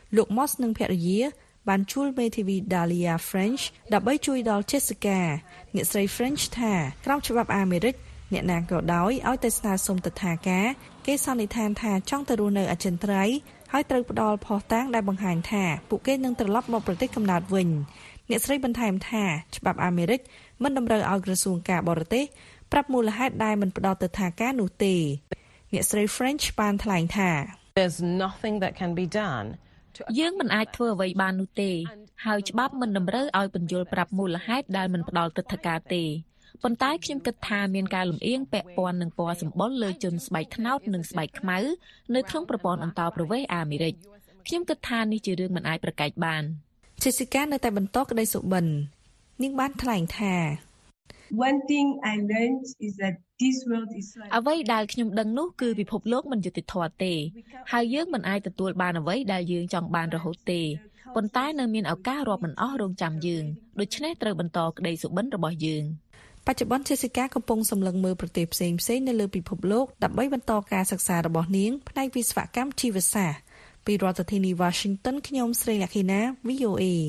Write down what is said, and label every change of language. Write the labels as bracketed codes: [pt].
[km] លោក Moss និងភរិយាបានជួលមេធាវី Dalia French ដើម្បីជួយដល់ Jessica អ្នកស្រី French ថាក្រុមច្បាប់អាមេរិកអ្នកណាក៏ដោយឲ្យទៅស្នើសុំទិដ្ឋាការគេសន្និដ្ឋានថាចង់ទៅរស់នៅអចិន្ត្រៃយ៍ហើយត្រូវផ្ដល់ផុសតាងដែលបង្ហាញថាពួកគេនឹងត្រឡប់មកប្រទេសកំណើតវិញអ្នកស្រីបន្ថែមថាច្បាប់អាមេរិកមិនតម្រូវឲ្យក្រសួងការបរទេសប្រាប់មូលហេតុដែលមិនផ្ដល់ទិដ្ឋាការនោះទេអ្នកស្រី French បានថ្លែងថា [en] There's nothing that can be done [km] យើងមិនអាចធ្វើអ្វីបាននោះទេហើយច្បាប់មិនតម្រូវឲ្យបញ្យលប្រាប់មូលហេតុដែលមិនផ្ដល់ទិដ្ឋាការទេប៉ុន្តែខ្ញុំគិតថាមានការលំអៀងពាក់ព័ន្ធនឹងពណ៌សម្បុរលើជនស្បែកខ្មៅនិងស្បែកខ្មៅនៅក្នុងប្រព័ន្ធអន្តរប្រវេសន៍អាមេរិកខ្ញុំគិតថានេះជារឿងមិនអាចប្រកែកបាន Jessica នៅតែបន្តក្តីសុបិន នាងបានថ្លែងថា [en] One thing I learned is that this world is [km] អ្វីដែលខ្ញុំដឹងនោះគឺពិភពលោកមិនយុត្តិធម៌ទេហើយយើងមិនអាចទទួលបានអ្វីដែលយើងចង់បានរហូតទេប៉ុន្តែនៅមានឱកាសរាប់មិនអស់រងចាំយើងដូច្នេះត្រូវបន្តក្តីសុបិនរបស់យើង បច្ចុប្បន្ន Jessica កំពុងសម្លឹងមើលប្រទេសផ្សេងៗនៅលើពិភពលោកដើម្បីបន្តការសិក្សារបស់នាងផ្នែកវិស្វកម្មជីវសាស្ត្រពីរដ្ឋធានី Washington ខ្ញុំស្រីលក្ខិណា VOA